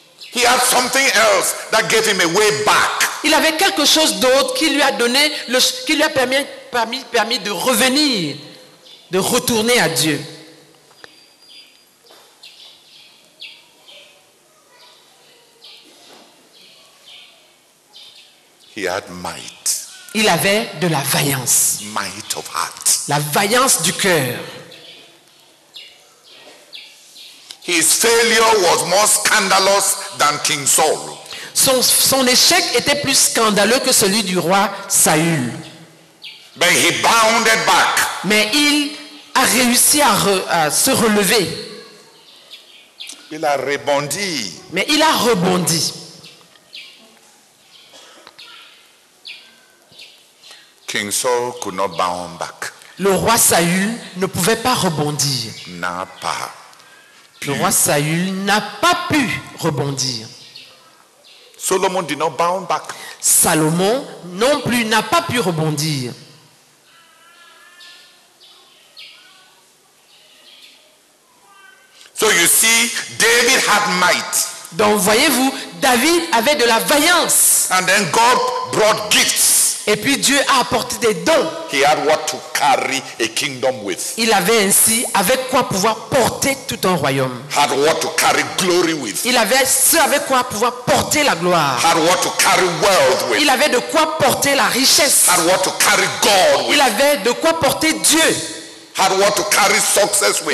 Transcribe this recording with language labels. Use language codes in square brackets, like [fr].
[en] He had something else that gave him a way back. [fr] Il avait quelque chose d'autre qui lui a donné le qui lui a permis de revenir, de retourner à Dieu. [en] He had might. [fr] Il avait de la vaillance. [en] Might of heart. [fr] La vaillance du cœur. [en] His failure was more scandalous than King Saul. [fr] Son échec était plus scandaleux que celui du roi Saül. [en] But he bounded back. [fr] Mais il a réussi à se relever. Il a rebondi. Mais il a rebondi. [en] King Saul could not bound back. [fr] Le roi Saül ne pouvait pas rebondir. N'a pas. Le roi Saül n'a pas pu rebondir. [en] Solomon did not bound back. [fr] Salomon non plus n'a pas pu rebondir. [en] So you see, David had might. [fr] Donc voyez-vous, David avait de la vaillance. [en] And then God brought gifts. [fr] Et puis Dieu a apporté des dons. [en] He had what to carry a kingdom with. [fr] Il avait ainsi avec quoi pouvoir porter tout un royaume. [en] Had what to carry glory with. [fr] Il avait ce avec quoi pouvoir porter la gloire. [en] Had what to carry wealth with. [fr] Il avait de quoi porter la richesse. [en] Had what to carry God with. [fr] Il avait de quoi porter Dieu. [en] Had what to carry success with.